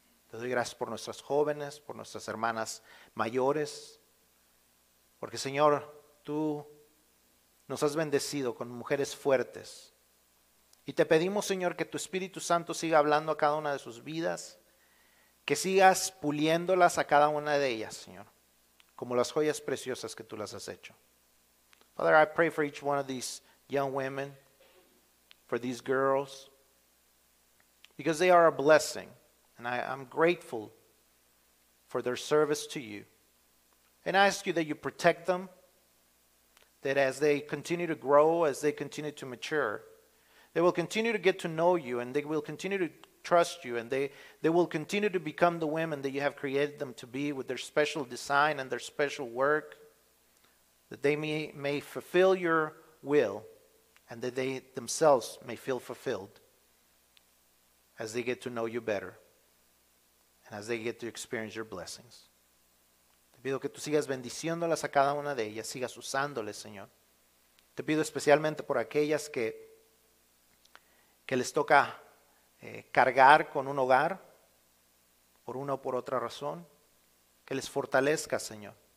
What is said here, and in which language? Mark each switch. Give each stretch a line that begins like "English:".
Spanish: Te doy gracias por nuestras jóvenes, por nuestras hermanas mayores, porque Señor, tú nos has bendecido con mujeres fuertes. Y te pedimos, Señor, que tu Espíritu Santo siga hablando a cada una de sus vidas, que sigas puliéndolas a cada una de ellas, Señor, como las joyas preciosas que tú las has hecho.
English: Father, I pray for each one of these young women, for these girls, because they are a blessing. And I'm grateful for their service to you. And I ask you that you protect them, that as they continue to grow, as they continue to mature, they will continue to get to know you and they will continue to trust you and they will continue to become the women that you have created them to be with their special design and their special work, that they may fulfill your will and that they themselves may feel fulfilled as they get to know you better. And as they get to experience your blessings.
Spanish: Te pido que tú sigas bendiciéndolas a cada una de ellas, sigas usándoles, Señor. Te pido especialmente por aquellas que les toca cargar con un hogar, por una o por otra razón, que les fortalezca, Señor.